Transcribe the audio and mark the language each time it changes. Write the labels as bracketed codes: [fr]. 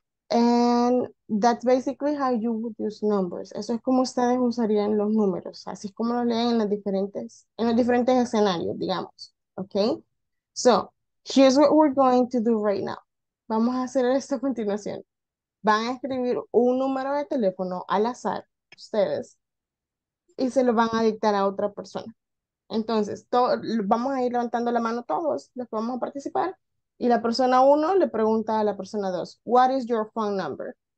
[en] And that's basically how you would use numbers. [es] Eso es como ustedes usarían los números. Así es como lo leen en los diferentes escenarios, digamos, ¿ok? [en] So, here's what we're going to do right now. [es] Vamos a hacer esto a continuación. Van a escribir un número de teléfono al azar, ustedes, y se lo van a dictar a otra persona. Entonces, vamos a ir levantando la mano todos, los que vamos a participar, y la persona 1 le pregunta a la persona 2, [en] what is your phone number?